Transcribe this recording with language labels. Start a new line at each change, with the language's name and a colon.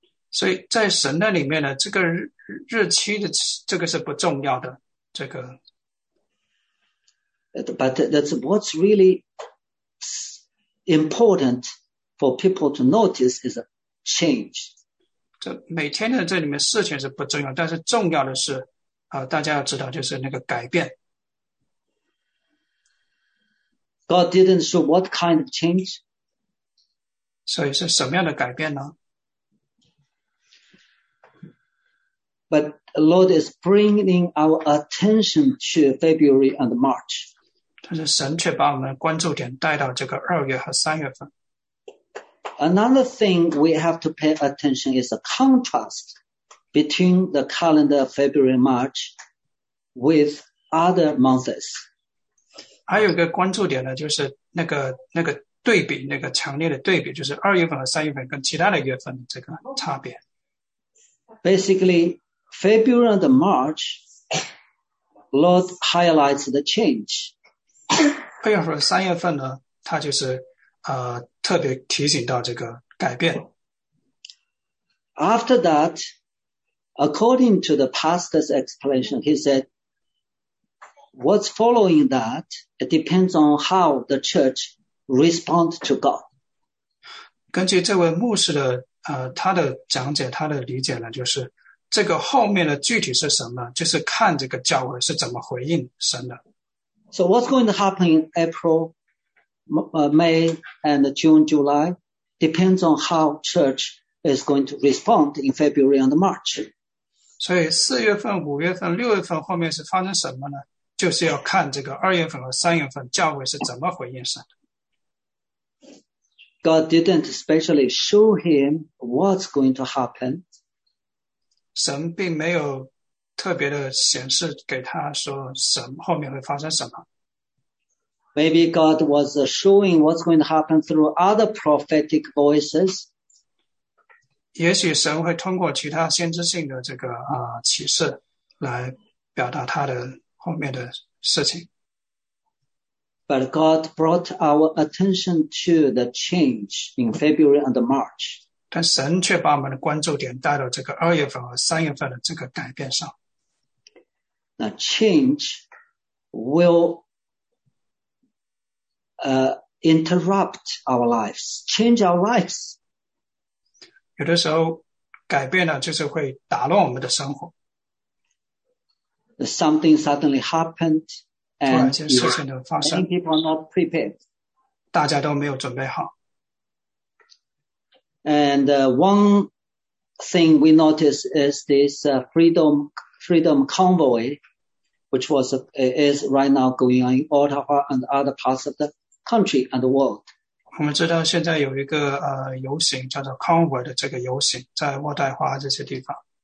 Chinese: 所以在神的里面呢，这个日期的这个是不重要的，这个。
English: But that's what's really important for people to notice is a change.
Chinese: 这每天的这里面事情是不重要，但是重要的是大家要知道就是那个改变。
English: God didn't show what kind of change.
Chinese: 所以是什么样的改变呢？
English: But the Lord is bringing our attention to February and March.
Chinese: 但是神却把我们的关注点带到这个二月和三月份。
English: Another thing we have to pay attention is the contrast between the calendar February and March with other months.
Chinese: 还有一个关注点呢，就是那个对比，那个强烈的对比，就是二月份和三月份跟其他的月份这个差别。
English: Basically, February and March, Lord highlights the change.
Chinese: 二月份和三月份呢，它就是特别提醒到这个改变。
English: After that, according to the pastor's explanation, he said,What's following that, it depends on how the church responds to God.
Chinese: 根据这位牧师的他的讲解，他的理解呢，就是这个后面的具体是什么，就是看这个教会是怎么回应神的。
English: So what's going to happen in April, May, and June, July, depends on how church is going to respond in February and March.
Chinese: 所以四月份、五月份、六月份后面是发生什么呢？就是要看这个二月份和三月份教会是怎么回应神。
English: God didn't specially show him what's going to happen.
Chinese: 神并没有特别的显示给他说什么后面会发生什么。
English: Maybe God was showing what's going to happen through other prophetic voices.
Chinese: 也许神会通过其他先知性的这个启示来表达他的后面的事情。
English: But God brought our attention to the change in February and March.
Chinese: 但神却把我们的关注点带到这个二月份和三月份的这个改变上。
English: Now change will interrupt our lives, change our lives.
Chinese: 有的时候改变呢，就是会打乱我们的生活。
English: Something suddenly happened, and
Chinese: 突然间事情的发生
English: many people are not prepared.
Chinese: 大家都没有准备好。
English: And one thing we notice is this freedom convoy, which is right now going on in Ottawa and other parts of the country and the world.
Chinese: 我们知道现在有一个游行叫做 convoy 的这个游行，在渥太华这些地方